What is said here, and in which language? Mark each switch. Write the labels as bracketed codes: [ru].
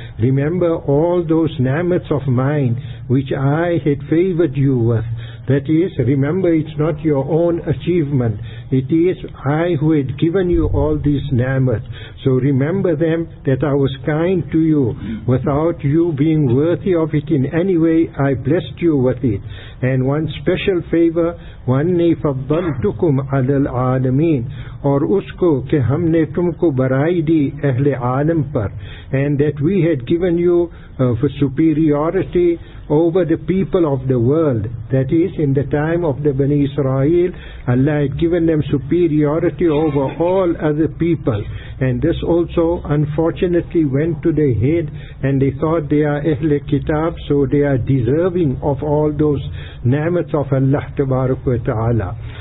[en] Remember all those ni'mats of mine, which I had favored you with. That is, remember, it's not your own achievement. It is I who had given you all these ni'mat. So remember them, that I was kind to you. Without you being worthy of it in any way, I blessed you with it. [ur] And one special favor, [ar] وَنِّي فَضَّلْتُكُمْ عَلَى الْعَالَمِينَ [ur] اور اس کو کہ ہم نے تم کو برائی دی اہل عالم پر. [en] And that we had given you for superiority over the people of the world. That is, in the time of the Bani Israel, Allah had given them superiority over all other people. And this also unfortunately went to their head, and they thought they are Ahl Kitab, so they are deserving of all those ni'mat of Allah Tabarak wa Ta'ala.